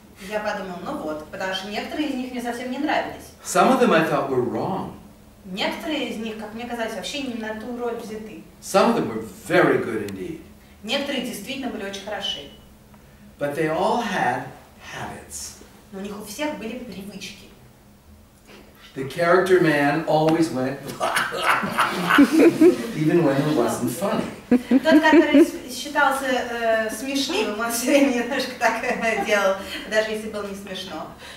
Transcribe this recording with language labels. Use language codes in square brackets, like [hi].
[ru] Я подумал, ну вот, потому что некоторые из них мне совсем не нравились. [en] Some of them I thought were wrong. [ru] Некоторые из них, как мне казалось, вообще не на ту роль взяты. [en] Some of them were very good indeed. [ru] Некоторые действительно были очень хороши. [en] But they all had habits. [ru] Но у них у всех были привычки. [en] The character man always went even when it wasn't funny. [ru] Тот, который считался смешным, он все время немножко так делал, даже если было не смешно.